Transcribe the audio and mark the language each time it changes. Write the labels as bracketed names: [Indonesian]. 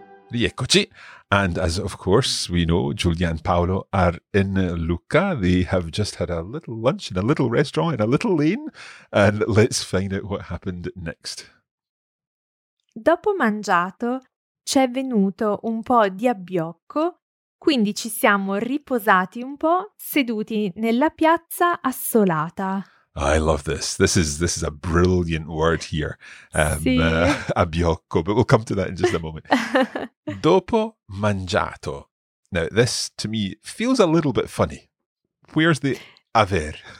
[English] Rieccoci! And as of course we know, Giulia and Paolo are in Lucca. They have just had a little lunch in a little restaurant in a little lane. And let's find out what happened next. [Italian] Dopo mangiato, c'è venuto un po' di abbiocco, quindi ci siamo riposati un po', seduti nella piazza assolata. [English] I love this. This is a brilliant word here. Abbiocco, but we'll come to that in just a moment. Dopo mangiato. Now, this to me feels a little bit funny. Where's the aver?